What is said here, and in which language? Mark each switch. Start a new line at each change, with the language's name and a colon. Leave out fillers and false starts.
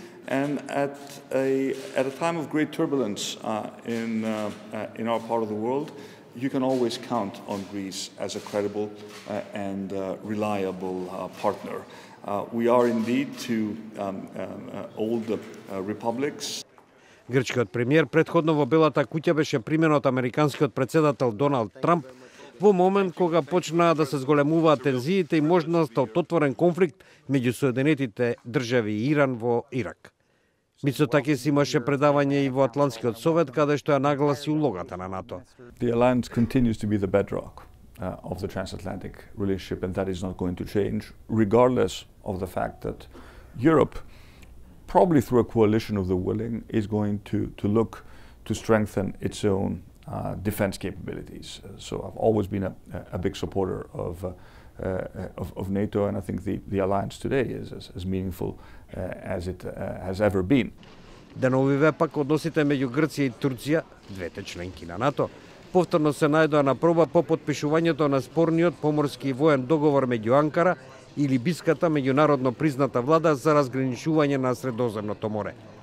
English: And at a time of great turbulence in our part of the world, you can always count on Greece as a credible and reliable partner. We are indeed two old republics.
Macedonian: Грчкиот премиер претходно во Белата куќа беше примен од американскиот председател Доналд Трамп во момент кога почнаа да се зголемуваат тензиите и можноста од отворен конфликт меѓу Соединетите држави и Иран во Ирак. Мицотакис имаше предавање и во Атлантскиот совет каде што ја нагласи улогата на НАТО.
English: The alliance continues to be the bedrock of the transatlantic relationship, and that is not going to change, regardless of the fact that Europe, probably through a coalition of the willing, is going to look to strengthen its own defense capabilities. So I've always been a big supporter of NATO, and I think the alliance today is as meaningful as it has ever been.
Macedonian: Деновиве пак односите меѓу Грција и Турција, двете членки на НАТО, повторно се најдоа на проба по подпишувањето на спорниот поморски воен договор меѓу Анкара и либиската меѓународно призната влада за разграничување на Средоземното море.